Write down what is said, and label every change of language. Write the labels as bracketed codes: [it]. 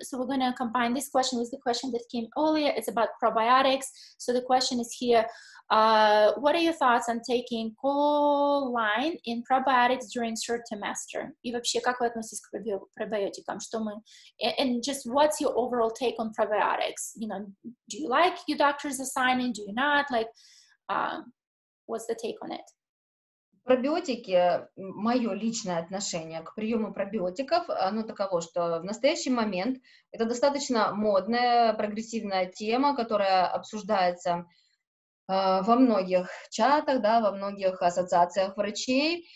[en] So we're going to combine this question with the question that came earlier. It's about probiotics. So the question is here, what are your thoughts on taking choline in probiotics during third trimester? [ru] И вообще, как вы относитесь к пробиотикам? Что мы, [en] and just what's your overall take on probiotics? You know, do you like your doctor's assigning? Do you not? Like, What's the take on it? [ru] Пробиотики, мое личное отношение к приему пробиотиков, оно таково, что в настоящий момент это достаточно модная, прогрессивная тема, которая обсуждается во многих чатах, да, во многих ассоциациях врачей.